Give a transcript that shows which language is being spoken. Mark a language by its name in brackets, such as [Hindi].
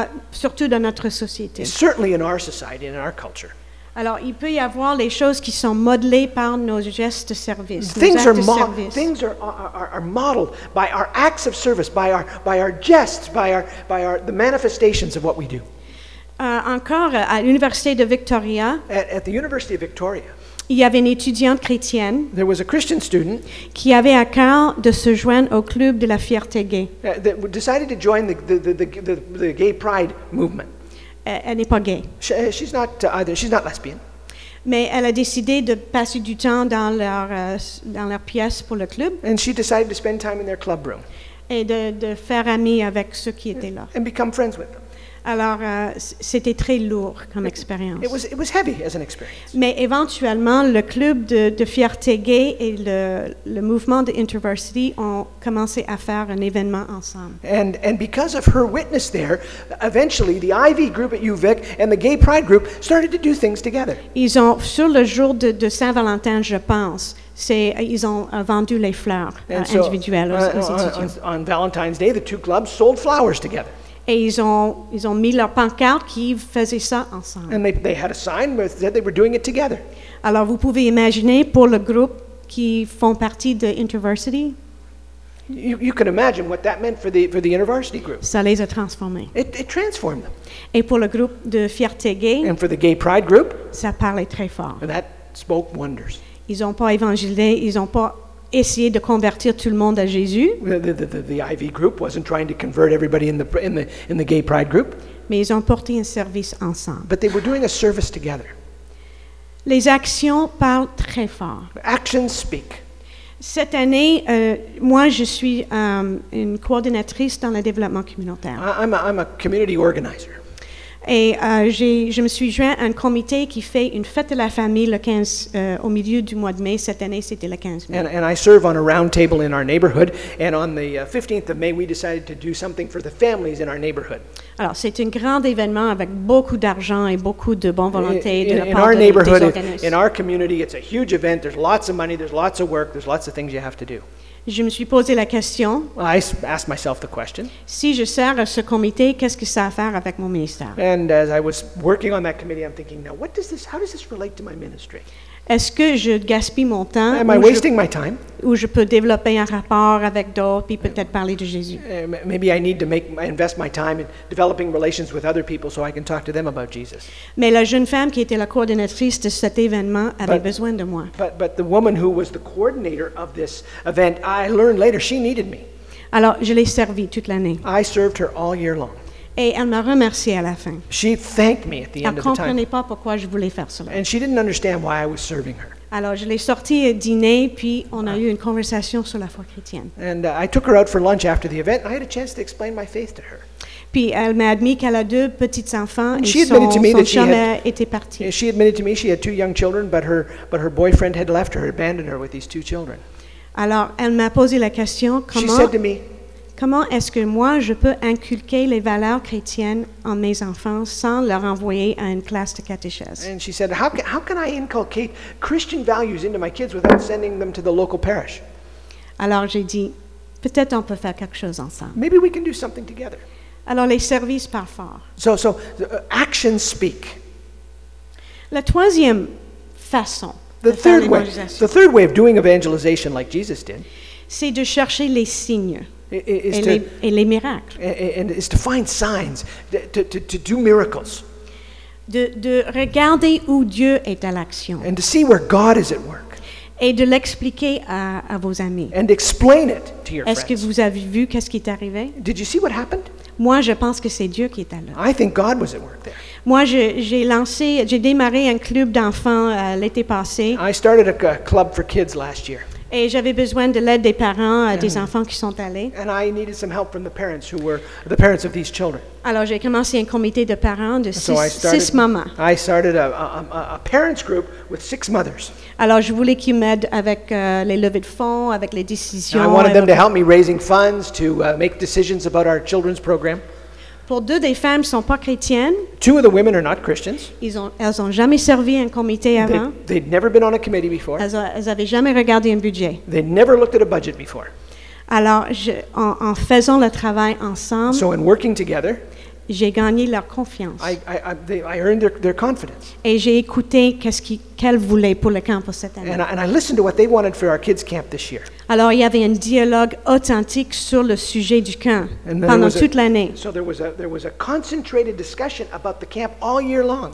[French] Surtout dans notre société. [English] Certainly in our society, in our culture. [French] Alors, il peut y avoir les choses qui sont modelées par nos gestes de service. [English] Things are modeled by our acts of service, by our gestes, by the manifestations of what we do. [French] Encore à l'Université de Victoria. [English] At the University of Victoria. [French] Il y avait une étudiante chrétienne. [English] There was a Christian student [French] qui avait à cœur de se joindre au club de la fierté gay. [English] That decided to join the gay pride movement. [French] Elle n'est pas gay. [English] She's not either. She's not lesbian. [French] Mais elle a décidé de passer du temps dans leur pièce pour le club. [English] And she decided to spend time in their club room. [French] Et de faire amie avec ceux qui étaient là. [English] And become friends with them. [French] Alors, c'était très lourd comme expérience. [English] It was heavy as an experience. [French] Mais éventuellement, le club de fierté gay et le mouvement de InterVarsity ont commencé à faire un événement ensemble. [English] And because of her witness there, eventually the IV group at UVic and the Gay Pride group started to do things together. [French] Ils ont, sur le jour de Saint-Valentin, je pense, ils ont vendu les fleurs individuelles aux étudiants. [English] On Valentine's Day, the two clubs sold flowers together. [French] Et ils ont mis leur pancarte qui faisait ça ensemble. [English] And they had a sign with that they were doing it together. [French] Alors vous pouvez imaginer pour le groupe qui font partie de InterVarsity. [English] You can imagine what that meant for the InterVarsity group. [French] Ça les a transformés. [English] It transformed them. [French] Et pour le groupe de fierté gay. [English] And for the Gay Pride group. [French] Ça parlait très fort. [English] And that spoke wonders. [French] Ils n'ont pas évangélisé, ils n'ont pas essayer de convertir tout le monde à Jésus. [English] The IV group wasn't trying to convert everybody in the Gay Pride group. [French] Mais ils ont porté un service ensemble. [English] But they were doing a service together. [French] Les actions parlent très fort. [English] Actions speak. [French] Cette année, moi, je suis une coordinatrice dans le développement communautaire. [English] I'm a community organizer. [French] Et je me suis joint à un comité qui fait une fête de la famille le 15 au milieu du mois de mai. Cette année, c'était le 15 mai. [English] And I serve on a round table in our neighborhood. And on the 15th of May, we decided to do something for the families in our neighborhood. [French] Alors, c'est un grand événement avec beaucoup d'argent et beaucoup de bonne volonté de la part des organisateurs. [English] In our neighborhood, in our community, it's a huge event. There's lots of money. There's lots of work. There's lots of things you have to do. [French] Je me suis posé la question. [English] Well, I asked myself the question. [French] Si je sers à ce comité, qu'est-ce que ça a à faire avec mon ministère? [English] And as I was working on that committee, I'm thinking, now, what does this, how does this relate to my ministry? [French] Est-ce que je gaspille mon temps? [English] Am I wasting my time? [French] Ou je peux développer un rapport avec d'autres, puis peut-être parler de Jésus? [English] Maybe I need to invest my time in developing relations with other people so I can talk to them about Jesus. [French] Mais la jeune femme qui était la coordinatrice de cet événement avait besoin de moi. [English] But the woman who was the coordinator of this event, I learned later, she needed me. [French] Alors, je l'ai servie toute l'année. [English] I served her all year long. [French] Et elle m'a remercié à la fin. [English] She thanked me at the end of the time. [French] Elle comprenait pas pourquoi je voulais faire cela. [English] And she didn't understand why I was serving her. [French] Alors je l'ai sortie à dîner, puis on a eu une conversation sur la foi chrétienne. [English] And I took her out for lunch after the event, and I had a chance to explain my faith to her. [French] Puis elle m'a admis qu'elle a deux petits enfants et son chum était parti. [English] She admitted to me she had two young children, but her boyfriend had left her, abandoned her with these two children. [French] Alors elle m'a posé la question comment est-ce que moi je peux inculquer les valeurs chrétiennes en mes enfants sans leur envoyer à une classe de catéchèse? [English] And she said, how can I inculcate Christian values into my kids without sending them to the local parish? [French] Alors j'ai dit, peut-être on peut faire quelque chose ensemble. [English] Maybe we can do something together. [French] Alors les services parlent fort. [English] So actions speak. [French] La troisième façon. [English] The third way of doing evangelization like Jesus did. [French] C'est de chercher les signes. Et les miracles. [English] And is to find signs, to do miracles. [French] De regarder où Dieu est à l'action. [English] And to see where God is at work. [French] Et de l'expliquer à vos amis. [English] And explain it to your friends. [French] Est-ce que vous avez vu qu'est-ce qui est arrivé? [English] Did you see what happened? [French] Moi, je pense que c'est Dieu qui est à l'œuvre. [English] I think God was at work there. [French] Moi, j'ai démarré un club d'enfants l'été passé. [English] I started a club for kids last year. [French] Et j'avais besoin de l'aide des parents, des enfants qui sont allés. [English] And I needed some help from the parents who were the parents of these children. [French] Alors j'ai commencé un comité de parents de six mamans. [English] I started a parents group with six mothers. [French] Alors je voulais qu'ils m'aident avec les levées de fonds, avec les décisions. [English] And I wanted them to help me raising funds to make decisions about our children's program. [French] Pour deux des femmes sont pas chrétiennes. [English] Two of the women are not Christians. [French] Elles ont jamais servi un comité avant. [English] They'd never been on a committee before. [French] Elles avaient jamais regardé un budget. [English] They'd never looked at a budget before. [French] Alors, en faisant le travail ensemble, [English] so in working together, [French] j'ai gagné leur confiance. [English] I earned their confidence. [French] Et j'ai écouté qu'elles voulaient pour le camp pour cette année. [English] And I listened to what they wanted for our kids' camp this year. [French] Alors, il y avait un dialogue authentique sur le sujet du camp pendant toute l'année. [English] So there was a concentrated discussion about the camp all year long.